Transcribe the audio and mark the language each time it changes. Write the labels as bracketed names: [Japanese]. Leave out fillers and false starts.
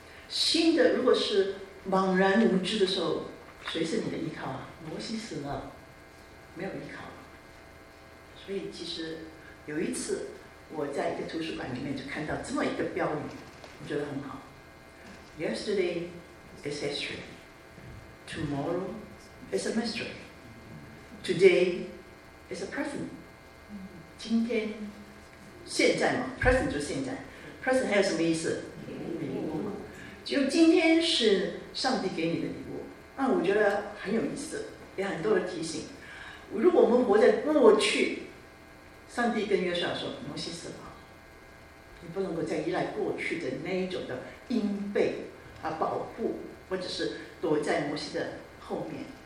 [Chinese] 新的如果是茫然无知的时候，谁是你的依靠啊？摩西死了，没有依靠了。所以其实有一次我在一个图书馆里面就看到这么一个标语，我觉得很好。 [English] Yesterday is history, tomorrow is a mystery, today is a present. [Chinese] 今天现在嘛， present 就是现在， present 还有什么意思？礼物嘛，就今天是上帝给你的礼物。那我觉得很有意思，也很多的提醒，如果我们活在过去，上帝跟约书亚说，摩西死了，你不能够再依赖过去的那一种的荫背啊保护，或者是躲在摩西的后面。